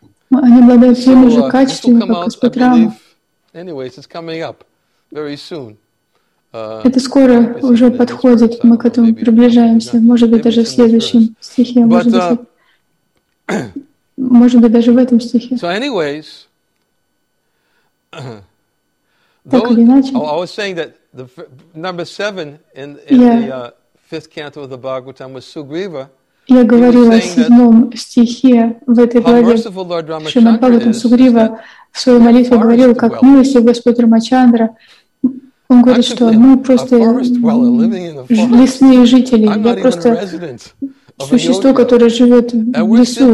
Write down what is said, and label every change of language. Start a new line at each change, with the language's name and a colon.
Russian: Они обладают теми же качествами, как Господь Рама.
English: Anyways, it's coming up very soon.
Russian: Это скоро уже подходит, мы к этому приближаемся, может быть, даже в следующем стихе, может быть, даже в этом стихе.
English: So anyways,
Russian: так или иначе,
English: I was saying that the number seven in the fifth canto of the Bhagavatam was Sugriva.
Russian: Я говорила о седьмом стихе в этой главе Шримад Бхагаватам. Сугрива в своей молитве говорил, как милости Господь Рамачандра. Он говорит, что мы просто лесные жители. Я просто существо, которое живет в лесу.